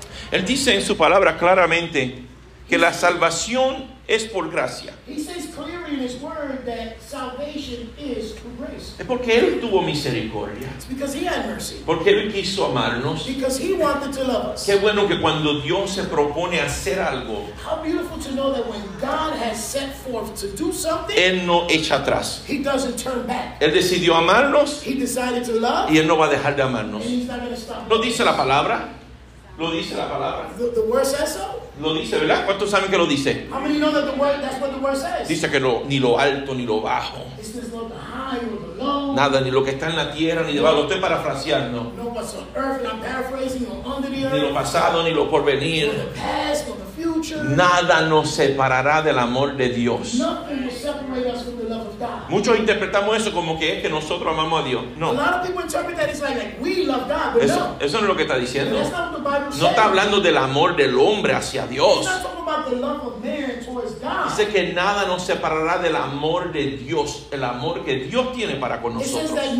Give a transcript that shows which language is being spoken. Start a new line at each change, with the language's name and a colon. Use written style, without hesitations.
Spanish: Él dice en su palabra claramente que la salvación es por gracia.
English: He says clearly in his word that salvation is through grace.
Spanish: Es porque Él tuvo misericordia.
English: It's because he had mercy.
Spanish: Porque Él quiso amarnos.
English: Because he wanted to love us.
Spanish: Qué bueno que cuando Dios se propone hacer algo,
English: how beautiful to know that when God has set forth to do something,
Spanish: Él no echa atrás.
English: He doesn't turn back.
Spanish: Él decidió amarnos.
English: He decided to love.
Spanish: Y Él no va a dejar de amarnos.
English: And he's not going to stop.
Spanish: ¿Lo dice la palabra? Lo dice la palabra.
English: The word says so.
Spanish: Lo dice, ¿verdad? ¿Cuántos saben que lo dice?
English: How many know that the word, that's what the word says?
Spanish: Dice que lo, ni lo alto ni lo bajo.
English: It's not the high or the low.
Spanish: Nada, ni lo que está en la tierra ni debajo. Lo estoy parafraseando.
English: No, what's on earth, and I'm paraphrasing, or under the earth.
Spanish: Ni lo pasado ni lo porvenir.
English: Or the past or the future.
Spanish: Nada nos separará del amor de Dios.
English: Nothing will separate us from the love of God.
Spanish: Muchos interpretamos eso como que es que nosotros amamos a Dios.
English: No. A lot of people interpret that it's like we love God, but no.
Spanish: Eso no es lo que está diciendo.
English: That's not what the Bible says.
Spanish: No está hablando del amor del hombre hacia a Dios. Dice que nada nos separará del amor de Dios, el amor que Dios tiene para con nosotros.